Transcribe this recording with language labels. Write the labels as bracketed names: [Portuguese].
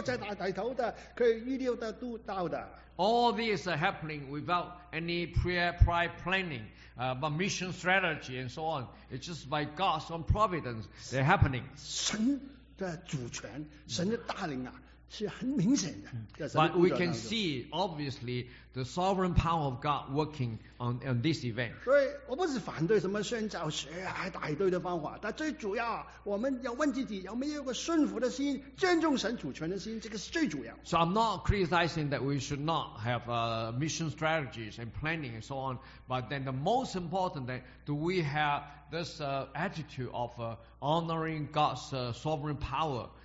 [Chinese] 这都没有什么预定的所谓什么宣召计划，都完全没有在打头的，可以预料的、督导的。 [English] All this is happening without any prior planning, but mission strategy and so on. It's just by God's own providence they're happening. [Chinese] 神的主权，神的带领啊。是很明显的, [English] but we can see, obviously, the sovereign power of God working on this event. [Chinese] 所以我不是反对什么宣教学啊，大堆的方法，但最主要，我们要问自己，有没有一个顺服的心，尊重神主权的心，这个是最主要。So [English] I'm not criticizing that we should not have mission strategies and planning and so on, but then the most important thing, do we have this attitude of honoring God's sovereign power?